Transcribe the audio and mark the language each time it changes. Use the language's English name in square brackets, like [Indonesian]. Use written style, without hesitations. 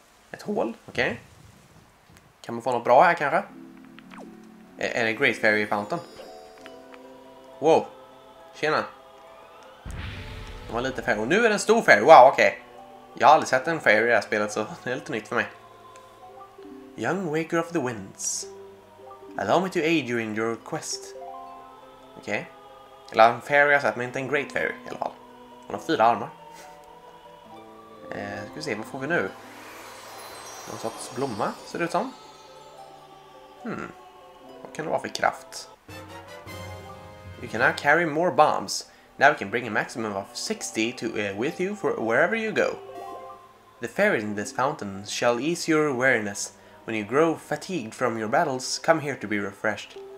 [Swedish] Ett hål, okej. Okay. Kan man få något bra här, kanske? Är det Great Fairy Fountain? Wow. Tjena. Var lite fairy. Och nu är det en stor fairy. Wow, okej. Okay. Jag har aldrig sett en fairy i det här spelet, så det är lite nytt för mig. [English] Young Waker of the Winds. Allow me to aid you in your quest. [Swedish] Okej. Okay. Eller en fairy har sett, men inte en great fairy i alla fall. Hon har fyra armar. Ska vi se, vad får vi nu? Någon sorts blomma, ser det ut som. Vad kan det vara för kraft? [English] You can now carry more bombs. Now we can bring a maximum of 60 to with you for wherever you go. The fairies in this fountain shall ease your weariness. When you grow fatigued from your battles, come here to be refreshed.